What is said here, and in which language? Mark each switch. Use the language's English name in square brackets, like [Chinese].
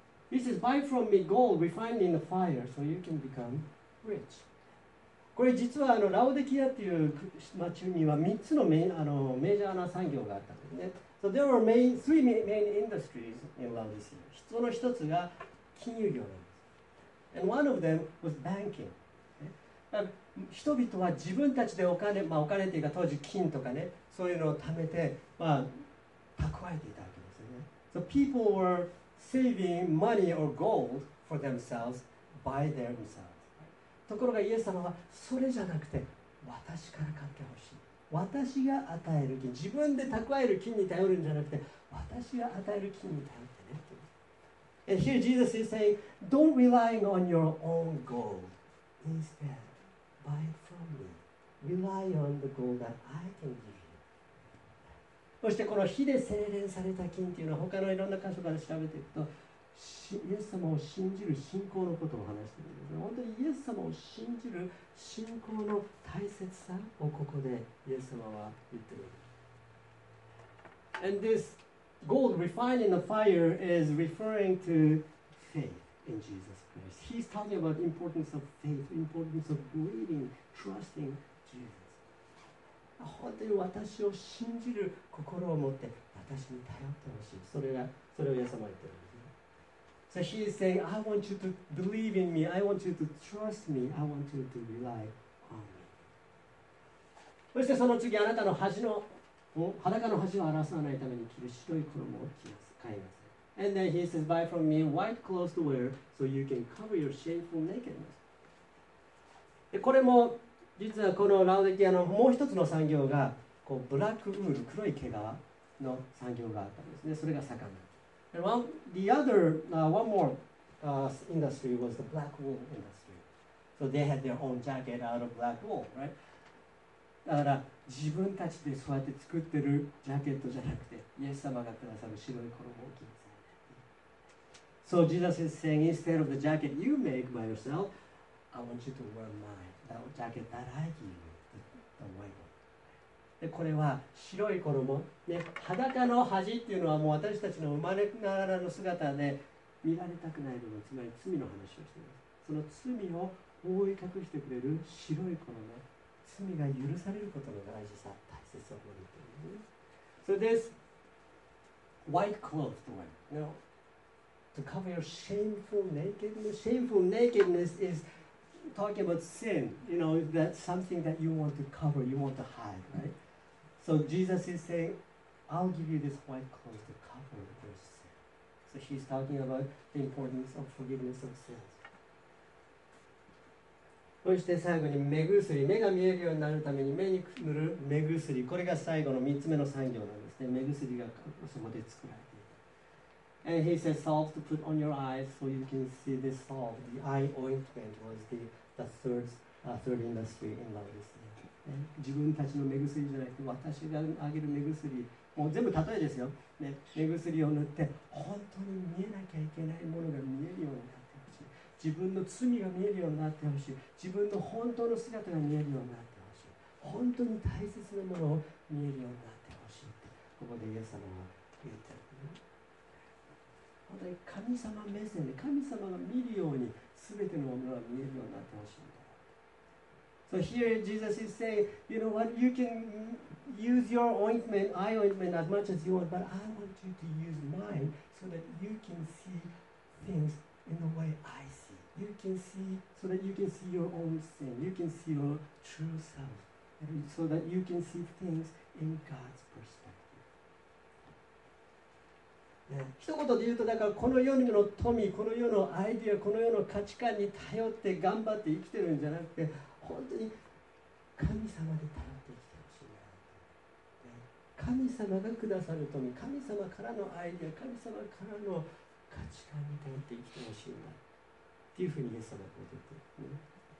[English] He says, buy from me gold refined in the fire so you can become rich. [Japanese] これ実はラオデキアっていう町には3つの メジャーな産業があったんですね。 [English] So there were three main industries in Laodicea. [Japanese] その一つが金融業なんです。 [English] And one of them was banking. [Japanese] 人々は自分たちでお金、まあ、お金というか当時金とかね、そういうのを貯めて、まあ、蓄えていたわけですよね。 [English] So people were saving money or gold for themselves by themselves. [Japanese] ところがイエス様はそれじゃなくて私から買ってほしい。私が与える金、自分で蓄える金に頼るんじゃなくて私が与える金に頼ってねって。 [English] And here Jesus is saying, don't rely on your own gold. Instead. Buy it from me. Rely on the gold that I can give you. [Japanese] そしてこの火で精錬された金っていうのは、他のいろんな箇所から調べていくと、イエス様を信じる信仰のことを話しているんです。本当にイエス様を信じる信仰の大切さをここでイエス様は言っている。 [English] And this gold refined in the fire is referring to faith in Jesus Christ. He's talking about the importance of faith, importance of believing, trusting Jesus. [Japanese] 本当に私を信じる心を持って私に頼ってほしい。それをイエス様は言っている。 [English] So he is saying, I want you to believe in me, I want you to trust me, I want you to rely on me. [Japanese] そしてその次、あなたの恥の、裸の恥を荒らさないために着る白い衣を買います。 [English] And then he says, buy from me white clothes to wear so you can cover your shameful nakedness. [Japanese] これも、実はこのラオデキアのもう一つの産業が、こうブラックウール、黒い毛皮の産業があったんですね。それが盛んな。 [English] And one, the other, one more industry was the black wool industry. So they had their own jacket out of black wool, right? [Japanese] だから自分たちでそうやって作ってるジャケットじゃなくて、イエス様がくださる白い衣を着てます。 [English] So Jesus is saying, instead of the jacket you make by yourself, I want you to wear mine, the jacket that I give you, the white one. [Japanese] でこれは白い衣、ね、裸の恥っていうのはもう私たちの生まれながらの姿で見られたくない部分、つまり罪の話をしています。その罪を覆い隠してくれる白い衣、ね、罪が許されることの大事さ、大切さを覚えている。 [English] So this white clothes to wear, you know, to cover your shameful nakedness. Shameful nakedness is talking about sin, you know, that's something that you want to cover, you want to hide, right? So Jesus is saying, I'll give you this white cloth to cover your sin. So he's talking about the importance of forgiveness of sins. [Japanese] そして最後に目薬、目が見えるようになるために目に塗る目薬、これが最後の3つ目の産業なんですね。目薬がそこで作られている。 [English] And he said, salt to put on your eyes so you can see this salt. The eye ointment was the third industry in Laodicea. [Japanese] 自分たちの目薬じゃなくて私があげる目薬、もう全部例えですよ、ね、目薬を塗って本当に見えなきゃいけないものが見えるようになってほしい、自分の罪が見えるようになってほしい、自分の本当の姿が見えるようになってほしい、本当に大切なものを見えるようになってほしいって、ここでイエス様は言ってる、ね、本当に神様目線で神様が見るように全てのものが見えるようになってほしい。 [English] So here Jesus is saying, you know what, you can use your ointment, eye ointment as much as you want, but I want you to use mine so that you can see things in the way I see. You can see, so that you can see your own sin, you can see your true self, so that you can see things in God's perspective. [Japanese] 一言で言うと、だからこの世の富、この世のアイデア、この世の価値観に頼って頑張って生きてるんじゃなくて、本当に神様で頼ってきてほしいな、神様がくださる富、神様からのアイデア、神様からの価値観に頼って生きてほしいなっていうふうにイエス様が言ってる、ね、